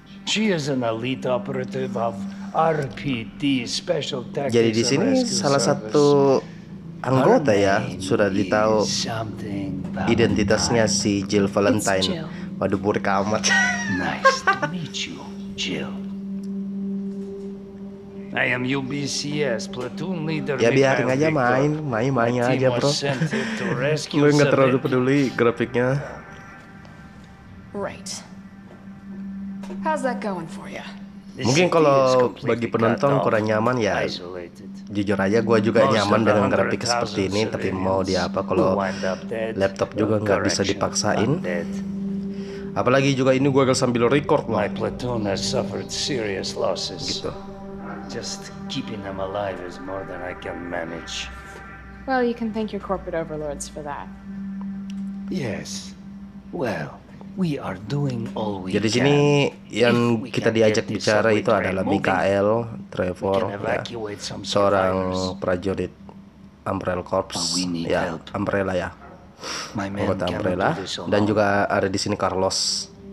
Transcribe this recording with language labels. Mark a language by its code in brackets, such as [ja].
[en] She is an elite operative of RPD Special Tactics. [id] Jadi di sini salah satu anggota ya sudah ditahu identitasnya, si Jill Valentine. Waduh burik amat. [en] Nice to meet you, Jill. I am UBCS platoon leader. [id] Ya biarin aja main aja bro. Lu enggak terlalu peduli grafiknya. [en] Right. How's that going for you? [id] Mungkin kalau bagi penonton kurang nyaman ya, jujur aja gue juga nyaman dengan grafik seperti ini, tapi mau dia apa kalau laptop juga nggak bisa dipaksain. Apalagi juga ini gue sambil record loh. [en] My platoon has suffered serious losses. [id] Gitu. [en] Just keeping them alive is more than I can manage. Well, you can thank your corporate overlords for that. Yes. Well, we are doing all we can. [id] Jadi sini yang kita diajak bicara itu adalah Mikael Trevor ya, seorang prajurit Umbrella Corps ya, Umbrella ya, anggota Umbrella, dan juga ada di sini Carlos.